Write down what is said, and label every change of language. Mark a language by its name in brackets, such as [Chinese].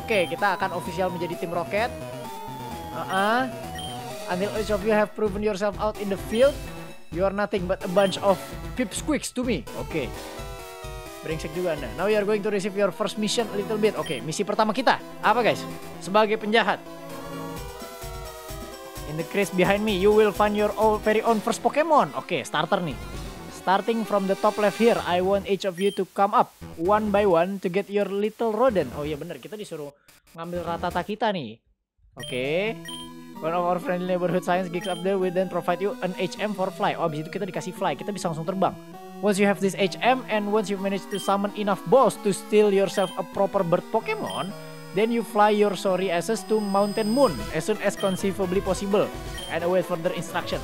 [Indonesian] Okay, kita akan official menjadi tim Rocket. [English] Until each of you have proven yourself out in the field, you are nothing but a bunch of pipsqueaks to me. Okay. [Indonesian] Brengsek juga anda. [English] Now you are going to receive your first mission a little bit. [Indonesian] Okay, misi pertama kita. Apa, guys? Sebagai penjahat. [English] In the crease behind me, you will find your very own first Pokemon. Okay, starter nih. Starting from the top left here, I want each of you to come up one by one to get your little rodent. [Indonesian] Oh iya bener, kita disuruh ngambil Rattata kita nih. Okay. [English] One of our friendly neighborhood science geeks up there will then provide you an HM for fly. [Indonesian] Oh, abis itu kita dikasih fly, kita bisa langsung terbang. [English] Once you have this HM and once you manage to summon enough balls to steal yourself a proper bird Pokemon, then you fly your sorry asses to Mountain Moon as soon as conceivably possible and await further instruction.